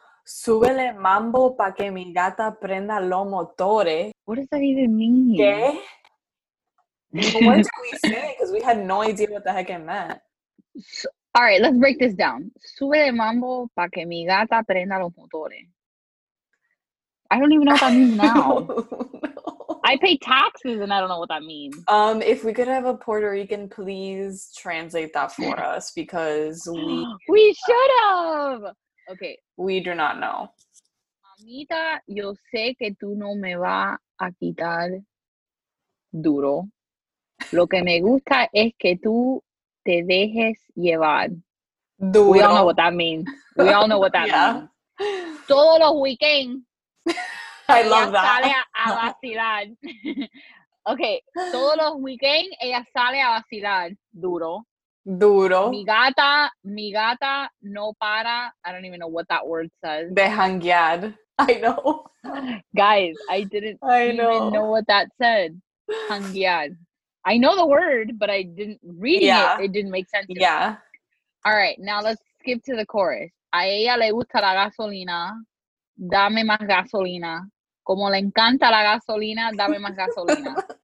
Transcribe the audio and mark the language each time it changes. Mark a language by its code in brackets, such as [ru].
[es] Súbele mambo pa que mi gata prenda los motores. [en] What does that even mean? ¿Qué? What did we say? Because we had no idea what the heck it meant. All right, let's break this down. [es] Súbele mambo pa que mi gata prenda los motores. [en] I don't even know what that means now. No. I pay taxes and I don't know what that means. If we could have a Puerto Rican, please translate that for us, because we... We should have! Okay. We do not know. [es] Mamita, yo sé que tú no me vas a quitar duro. Lo que me gusta es que tú te dejes llevar. Duro. [en] We all know what that means. We all know what that yeah. means. [es] Todos los weekends. [en] I love that. [es] Ella sale a vacilar. Okay, todos los weekends ella sale a vacilar. Duro. Duro. Mi gata no para. [en] I don't even know what that word says. [es] De janguear. [en] I know. Guys, I didn't even know what that said. Janguear. I know the word, but I didn't read it. It didn't make sense. Yeah. All right, now let's skip to the chorus. [es] A ella le gusta la gasolina. Dame más gasolina. Como le encanta la gasolina, dame más gasolina.